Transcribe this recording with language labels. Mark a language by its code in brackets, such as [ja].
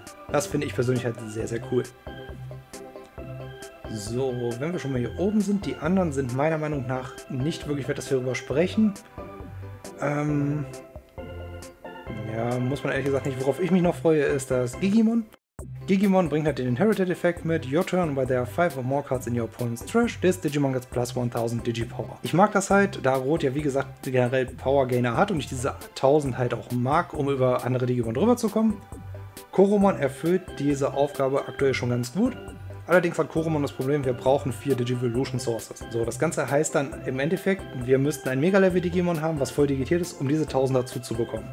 [de] Das finde ich persönlich halt sehr, sehr cool. So, wenn wir schon mal hier oben sind, die anderen sind meiner Meinung nach nicht wirklich wert, dass wir darüber sprechen. Ja, muss man ehrlich gesagt nicht. Worauf ich mich noch freue, ist das Gigimon. Gigimon bringt halt den Inherited-Effekt mit. [en] Your turn, where there are 5 or more cards in your opponent's trash, this Digimon gets plus 1000 Digipower. [de] Ich mag das halt, da Rot ja wie gesagt generell Power-Gainer hat und ich diese 1000 halt auch mag, um über andere Digimon drüber zu kommen. Koromon erfüllt diese Aufgabe aktuell schon ganz gut. Allerdings hat Koromon das Problem, wir brauchen 4 Digivolution Sources. So, das Ganze heißt dann im Endeffekt, wir müssten ein Mega-Level-Digimon haben, was voll digitiert ist, um diese 1000 dazu zu bekommen.